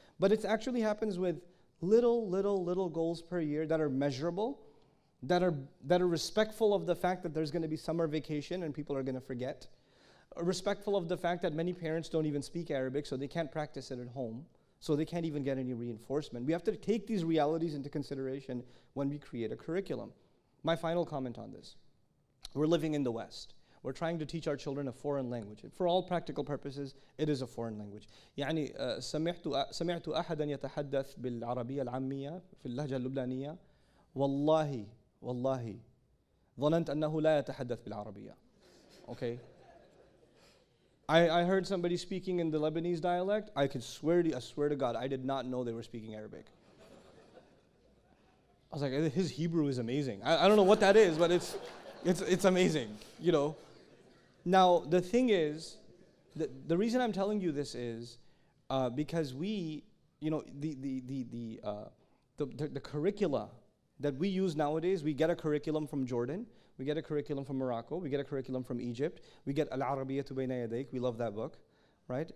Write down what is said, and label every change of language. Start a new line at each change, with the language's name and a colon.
English: But it actually happens with little goals per year that are measurable, that are respectful of the fact that there's going to be summer vacation and people are going to forget, respectful of the fact that many parents don't even speak Arabic, so they can't practice it at home, so they can't even get any reinforcement. We have to take these realities into consideration when we create a curriculum. My final comment on this. We're living in the West. We're trying to teach our children a foreign language. And for all practical purposes, it is a foreign language.
Arabic: يعني سمعت أحدا يتحدث بالعربية العامية في اللهجة اللبنانية والله ظننت أنه لا يتحدث بالعربية.
English: Okay. I heard somebody speaking in the Lebanese dialect. I swear to God, I did not know they were speaking Arabic. I was like, his Hebrew is amazing. I don't know what that is, but it's amazing, you know. Now, the thing is, the reason I'm telling you this is because we, you know, the curricula that we use nowadays, we get a curriculum from Jordan, we get a curriculum from Morocco, we get a curriculum from Egypt, we get Al-Arabiyyatu Bayna Yadayk, we love that book, right?